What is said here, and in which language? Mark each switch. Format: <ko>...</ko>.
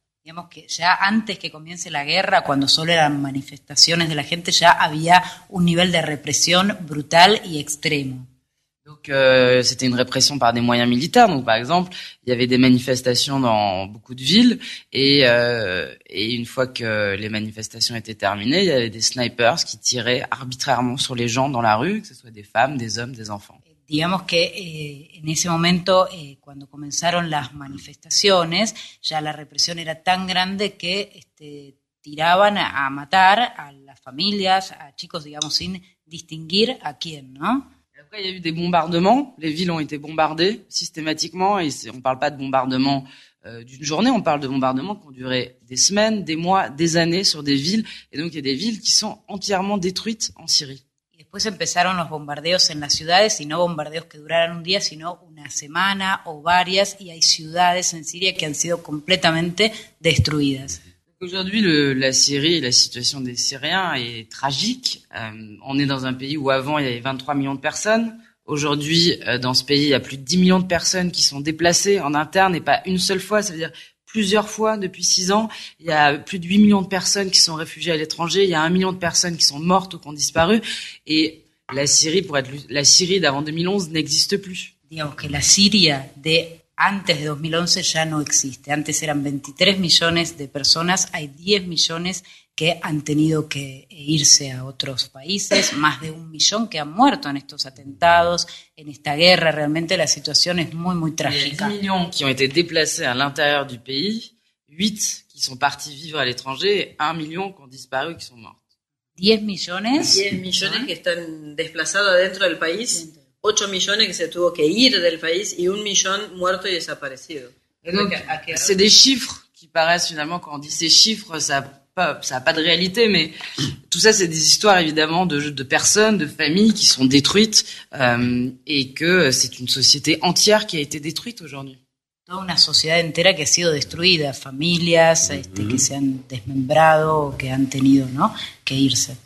<es>Digamos que ya antes que comience la guerra, cuando solo eran manifestaciones de la gente, ya había un nivel de represión brutal y extremo.</es> <fr>Donc, c'était une répression par des moyens militaires. Donc, par exemple, il y avait des manifestations dans beaucoup de villes. Et une fois que les manifestations étaient terminées, il y avait des snipers qui tiraient arbitrairement sur les gens dans la rue, que ce soit des femmes, des hommes, des enfants.</fr> <es>Digamos que en ese momento, cuando comenzaron las manifestaciones, ya la represión era tan grande que tiraban a matar a las familias, a chicos, digamos, sin distinguir a quién, ¿no?</es> <fr>Après, il y a eu des bombardements, les villes ont été bombardées systématiquement, et on ne parle pas de bombardements d'une journée, on parle de bombardements qui ont duré des semaines, des mois, des années sur des villes, et donc il y a des villes qui sont entièrement détruites en Syrie.</fr> <es>Después empezaron los bombardeos en las ciudades, y no bombardeos que duraran un día, sino una semana o varias, y hay ciudades en Siria que han sido completamente destruidas.</es> <fr>Aujourd'hui, la Syrie, la situation des Syriens est tragique. On est dans un pays où avant il y avait 23 millions de personnes. Aujourd'hui, dans ce pays, il y a plus de 10 millions de personnes qui sont déplacées en interne, et pas une seule fois, ça veut dire plusieurs fois depuis 6 ans. Il y a plus de 8 millions de personnes qui sont réfugiées à l'étranger. Il y a 1 million de personnes qui sont mortes ou qui ont disparu. Et la Syrie, pour être la Syrie d'avant 2011, n'existe plus.</fr> <es>Digamos que la Syrie de antes de 2011 ya no existe. Antes eran 23 millones de personas. Hay 10 millones que han tenido que irse a otros países. Más de 1 millón que han muerto en estos atentados, en esta guerra. Realmente la situación es muy, muy trágica. 10 millones que han sido desplazados al interior del país, 8 que son partidos vivir al extranjero, 1 millón que han desaparecido y que son muertos. 10 millones. 10 millones que están desplazados adentro del país. 8 millones que se tuvo que ir del país y 1 millón muerto y desaparecido.</es> <fr>C'est des chiffres qui paraissent finalement, quand on dit ces chiffres, ça a pas de réalité, mais tout ça, c'est des histoires évidemment de personnes, de familles qui sont détruites et que c'est une société entière qui a été détruite aujourd'hui.</fr> <es>Toda una sociedad entera que ha sido destruida, familias que se han desmembrado, que han tenido, ¿no?, que irse.</es>